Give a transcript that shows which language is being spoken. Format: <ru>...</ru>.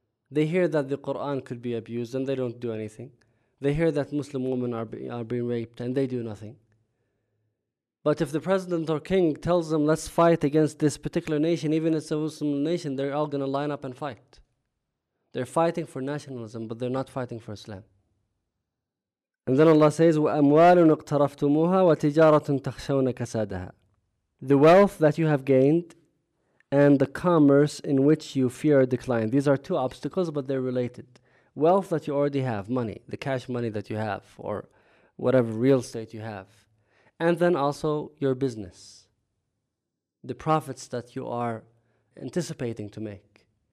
<en>They hear that the Quran could be abused and they don't do anything. They hear that Muslim women are being raped and they do nothing. But if the president or king tells them, let's fight against this particular nation, even if it's a Muslim nation, they're all going to line up and fight. They're fighting for nationalism, but they're not fighting for Islam. And then Allah says,</en> <ar>وَأَمْوَالٌ اقْتَرَفْتُمُوهَا وَتِجَارَةٌ تَخْشَوْنَ كَسَادَهَا.</ar> <en>The wealth that you have gained and the commerce in which you fear decline. These are two obstacles, but they're related. Wealth that you already have, money, the cash money that you have, or whatever real estate you have. And then also your business, the profits that you are anticipating to make.</en>